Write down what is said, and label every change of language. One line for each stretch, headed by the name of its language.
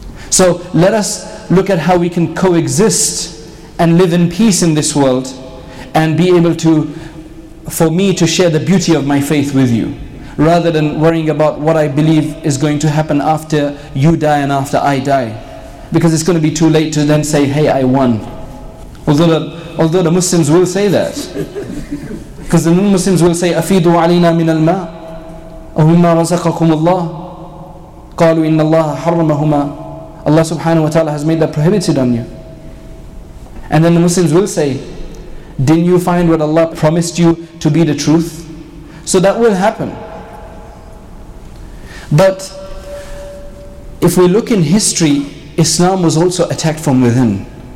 English: So let us look at how we can coexist and live in peace in this world, and be able to, for me to share the beauty of my faith with you, rather than worrying about what I believe is going to happen after you die and after I die. Because it's going to be too late to then say, hey, I won. Although the Muslims will say that. Because the Muslims will say,
Arabic: أَفِيدُوا عَلَيْنَا مِنَ الْمَاءِ أَوْمَّا رَزَقَكُمُ اللَّهِ قَالُوا إِنَّ اللَّهَ حَرَّمَهُمَا.
English: Allah subhanahu wa ta'ala has made that prohibited on you. And then the Muslims will say, didn't you find what Allah promised you to be the truth? So that will happen. But if we look in history, Islam was also attacked from within.